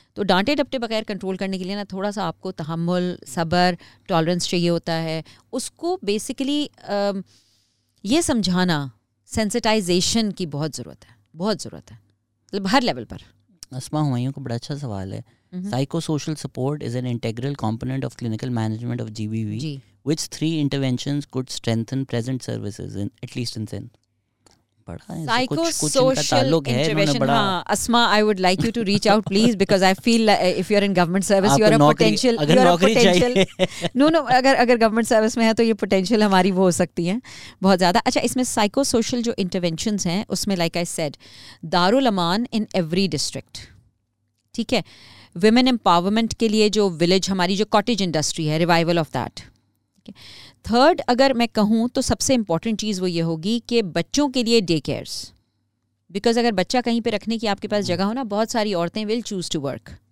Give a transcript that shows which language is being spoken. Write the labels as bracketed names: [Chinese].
[Hindi] तो डांटे डपटे बगैर कंट्रोल करने के लिए ना थोड़ा सा आपको तहम्मुल, सब्र, टॉलरेंस चाहिए होता है. उसको बेसिकली ये समझाना, सेंसिटाइजेशन की बहुत ज़रूरत है, बहुत ज़रूरत है, मतलब हर लेवल पर. अस्मा हुमायूं का बड़ा अच्छा सवाल है. [English] Psychosocial support is an integral component of clinical management of GBV. [Hindi] Ji. [English] Which three interventions could strengthen present services in at least in sin? Psychosocial intervention. Asma, I would like you to reach out, please, because I feel if you are in government service, you are a potential. [Hindi] अगर नौकरी चाहिए. [English] No. [Hindi] अगर government service में है तो ये potential हमारी वो हो सकती है बहुत ज़्यादा. अच्छा, इसमें psychosocial जो interventions हैं उसमें [English] like I said, [Hindi] Darul Aman [English] in every district. [Hindi] ठीक है, वुमेन एम्पावरमेंट के लिए जो विलेज हमारी जो कॉटेज इंडस्ट्री है, [English] Revival of that. [Hindi] थर्ड अगर मैं कहूँ तो सबसे इम्पॉर्टेंट चीज़ वो ये होगी कि बच्चों के लिए डे केयर्स, बिकॉज अगर बच्चा कहीं पे रखने की आपके पास जगह हो ना, बहुत सारी औरतें [English] Will choose to work.